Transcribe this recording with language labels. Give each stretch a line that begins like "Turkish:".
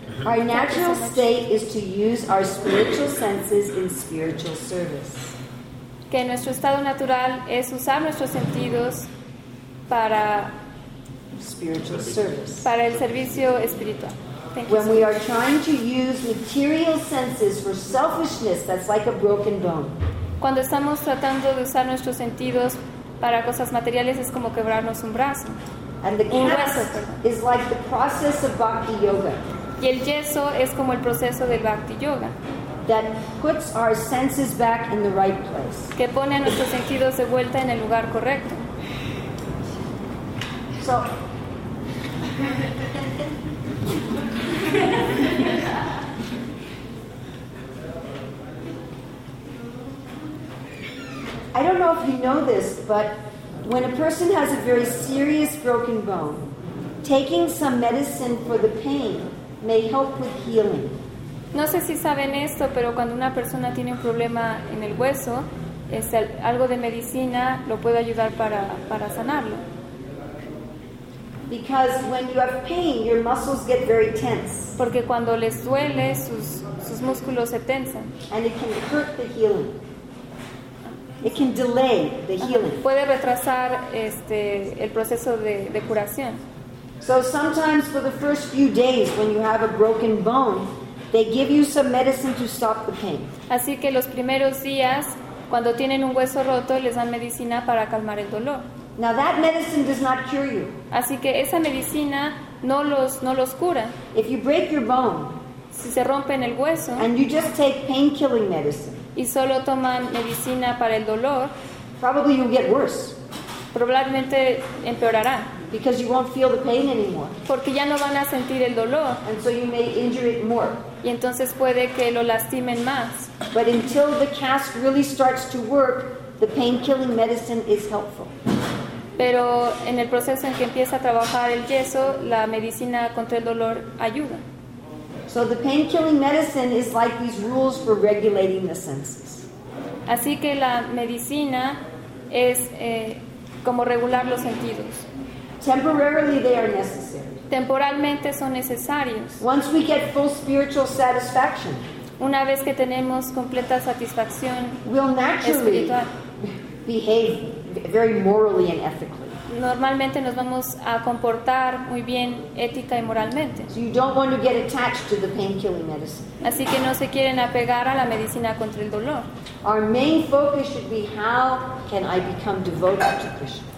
English: Our natural state is to use our spiritual senses in spiritual service.
Spanish: Que nuestro estado natural es usar nuestros sentidos para
English: spiritual service.
Spanish: Para el servicio espiritual.
English: When we are trying to use material senses for selfishness, that's like a broken bone.
Spanish: Cuando estamos tratando de usar nuestros sentidos para cosas materiales es como quebrarnos un brazo.
English: And the cast is like the process of bhakti yoga.
Spanish: Y el yeso es como el proceso del bhakti yoga.
English: That puts our senses back in the right place.
Spanish: Que pone a nuestros sentidos de vuelta en el lugar correcto.
English: So. I don't know if you know this, but when a person has a very serious broken bone, taking some medicine for the pain may help with healing.
Spanish: No sé si saben esto, pero cuando una persona tiene un problema en el hueso, algo de medicina lo puede ayudar para sanarlo.
English: Because when you have pain, your muscles get very tense.
Spanish: Porque cuando les duele, sus músculos se tensan.
English: And it can hurt the healing. It can delay the healing.
Spanish: Puede retrasar el proceso de curación.
English: So sometimes for the first few days when you have a broken bone, they give you some medicine to stop the pain.
Spanish: Así que los primeros días, cuando tienen un hueso roto, les dan medicina para calmar el dolor.
English: Now that medicine does not cure you.
Spanish: Así que esa medicina no los cura.
English: If you break your bone,
Spanish: si se rompen el hueso,
English: and you just take pain-killing medicine,
Spanish: y solo toman medicina para el dolor,
English: probably you'll get worse.
Spanish: Probablemente empeorará.
English: Because you won't feel the pain anymore.
Spanish: Porque ya no van a sentir el dolor.
English: And so you may injure it more.
Spanish: Y entonces puede que lo lastimen más.
English: But until the cast really starts to work, the pain-killing medicine is helpful.
Spanish: Pero en el proceso en que empieza a trabajar el yeso, la medicina contra el dolor ayuda.
English: So the pain-killing medicine is like these rules for regulating the senses.
Spanish: Así que la medicina es como regular los sentidos.
English: Temporarily they are necessary.
Spanish: Temporalmente son necesarios.
English: Once we get full spiritual satisfaction,
Spanish: una vez que tenemos completa satisfacción,
English: we'll naturally
Spanish: espiritual
English: behave very morally and ethically.
Spanish: normalmente nos vamos a comportar muy bien ética y moralmente.
English: So you don't want to get attached to the pain-killing medicine.
Spanish: Así que no se quieren apegar a la medicina contra el dolor.
English: Our main focus should be how can I become devoted to Krishna.